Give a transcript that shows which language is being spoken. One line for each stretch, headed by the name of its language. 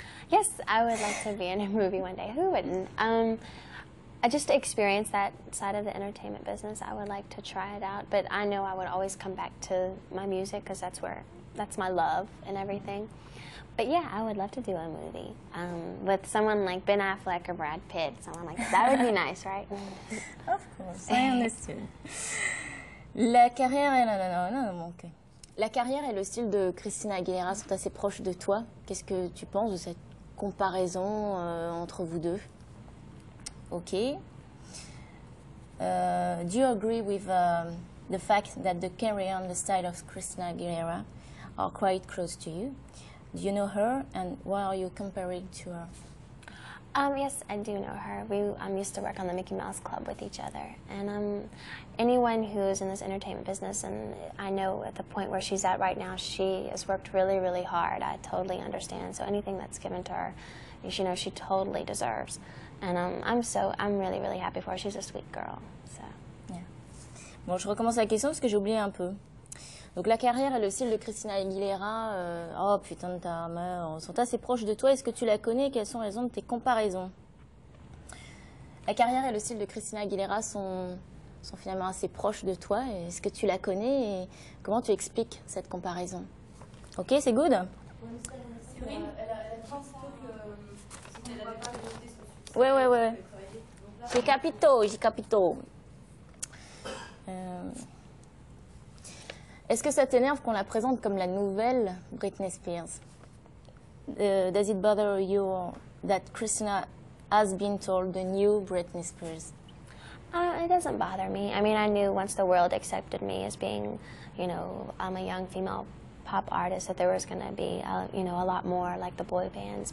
English: Yes, I would like to be in a movie one day. Who wouldn't? I just experienced that side of the entertainment business. I would like to try it out. But I know I would always come back to my music because that's my love and everything. But yeah, I would love to do a movie with someone like Ben Affleck or Brad Pitt. Someone like that would be nice, right? Of course, I understand.
French: La carrière et La carrière et le style de Christina Aguilera sont assez proches de toi. Qu'est-ce que tu penses de cette comparaison entre vous deux? Ok.
English: Do you agree with the fact that the career and the style of Christina Aguilera are quite close to you? Do you know her, and why are you comparing to her? Yes, I do know her. We used to work on the Mickey Mouse Club with each other. And anyone who is in this entertainment business, and I know at the point where she's at right now, she has worked really, really hard. I totally understand. So anything that's given to her, you know, she totally deserves. And I'm really, really happy for her. She's a sweet girl. So.
French: Yeah. Bon, je recommence la question parce que j'ai oublié un peu. Donc la carrière et le style de Christina Aguilera, oh putain de ta mère, sont assez proches de toi. Est-ce que tu la connais? Quelles sont les raisons de tes comparaisons? La carrière et le style de Christina Aguilera sont finalement assez proches de toi. Est-ce que tu la connais? Et comment tu expliques cette comparaison? Ok, c'est good? Oui, oui, oui. J'ai capito, j'ai capito. Est-ce que ça t'énerve qu'on la présente comme la nouvelle Britney Spears?
English: Does it bother you that Christina has been told the new Britney Spears? It doesn't bother me. I mean, I knew once the world accepted me as being, you know, I'm a young female pop artist, that there was going to be, you know, a lot more like the boy bands.